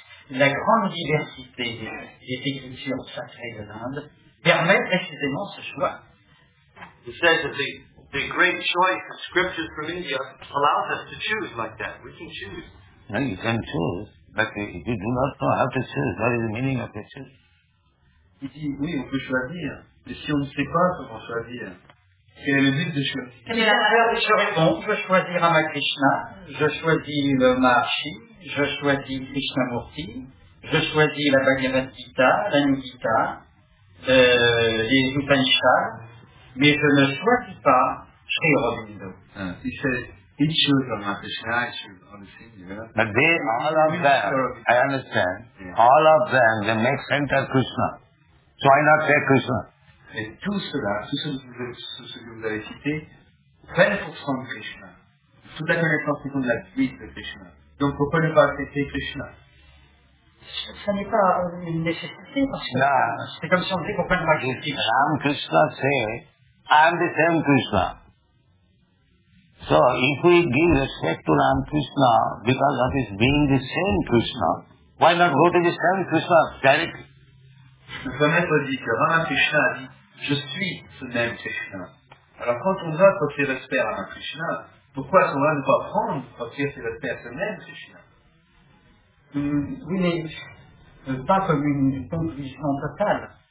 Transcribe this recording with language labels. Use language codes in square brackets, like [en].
[fr] La grande diversité des écritures sacrées de l'Inde permet précisément ce choix. [en] He says that the great choice of scriptures from India allows us to choose like that. We can choose. No, you can choose, but if you do not know how to choose, what is the meaning of the choice? [fr] Il dit, oui, on peut choisir, mais si on ne sait pas comment choisir, quel est le but de choisir? Quelle est la valeur de choisir? Donc, je choisis Rama Krishna, je choisis le Maharshi, je choisis Krishnamurti, je choisis la Bhagavad Gita, la Nikita, les Upanishads, mais je ne choisis pas Sri Aurobindo. Il fait, il choisit Rama Krishna, il choisit [en] Rama Krishna. [fr] Mais [en] all of them, I understand, all of them, they make sense of Krishna. So why not say Krishna? [fr] Et tout cela, tout ce que vous avez cité, prennent pour son Krishna. Toute la connaissance qui tombe de la vie de Krishna. Donc pourquoi ne pas accepter Krishna? Ça n'est pas une nécessité parce que là, c'est comme si on disait pourquoi ne pas accepter Krishna. [en] Ram Krishna say, I am the same Krishna. So if we give respect to Ram Krishna because of his being the same Krishna, why not go to the same Krishna directly? [fr] Le maître dit que Ramakrishna a dit « Je suis ce même Krishna ». Alors quand on va porter respect à Ramakrishna, pourquoi est-ce qu'on va ne pas prendre porter ses respects à ce même Krishna? Oui, mais pas comme une conclusion totale.